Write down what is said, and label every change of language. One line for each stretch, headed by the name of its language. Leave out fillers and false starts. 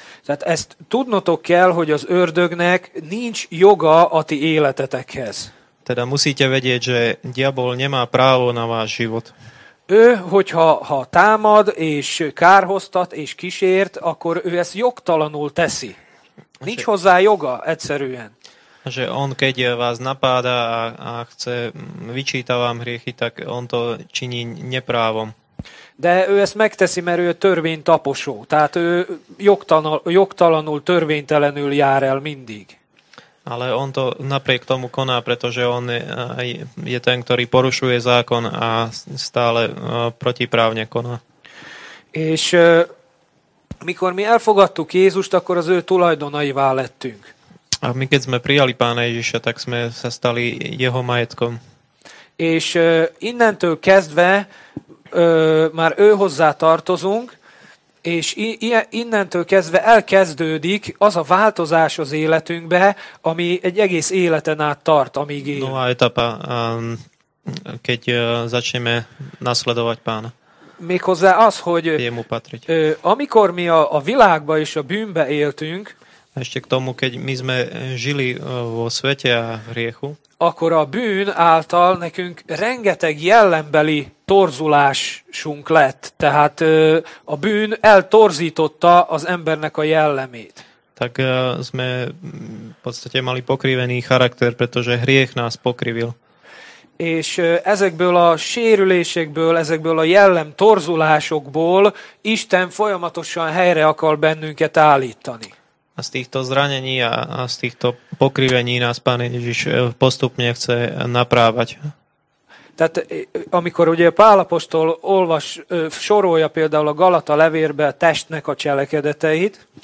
Hungarian: Tehát ezt tudnotok kell, hogy az ördögnek nincs joga a ti életetekhez.
Slovak: Teda musíte vedieť, že diabol nemá právo na váš život.
Hungarian: Ő, hogyha támad és kárhoztat és kísért, akkor ő ezt jogtalanul teszi. Nincs hozzá joga egyszerűen.
Slovak: Že on, keď vás napáda a chce, vyčíta vám hriechy, tak on to činí neprávom.
Hungarian: De ő ezt megteszi, mert ő törvénytaposó. Tehát ő jogtalanul, törvénytelenül jár el mindig.
Slovak: Ale on to napriek tomu koná, pretože on je ten, ktorý porušuje zákon a stále protiprávne koná.
Hungarian: És mikor mi elfogadtuk Jézust, akkor az ő tulajdonaivá lettünk.
Slovak: A my keď sme prijali Pána Ježiša, tak sme sa stali jeho majetkom.
Hungarian: És innentől kezdve már ő hozzá tartozunk, és innentől kezdve elkezdődik az a változás az életünkbe, ami egy egész életen át tart, amíg él.
Slovak: Nová etapa keď začneme nasledovať Pána.
Hungarian: Méghozzá az, hogy amikor mi a világba és a bűnbe éltünk,
Slovak: ešte k tomu, keď my sme žili vo svete a hriechu,
Hungarian: akkor a bűn által nekünk rengeteg jellembeli torzulásunk lett. Tehát a bűn eltorzította az embernek a jellemét.
Slovak: Tak sme v podstate mali pokrivený charakter, pretože hriech nás pokrivil.
Hungarian: És ezekből a sérülésekből, ezekből a jellem torzulásokból Isten folyamatosan helyre akar bennünket állítani.
Slovak: A z týchto zranení a z týchto pokrivení nás Pán Ježiš postupne chce naprávať.
Hungarian: Tehát amikor ugye Pál apostol olvas, sorolja például a Galata levérbe a testnek a cselekedeteit.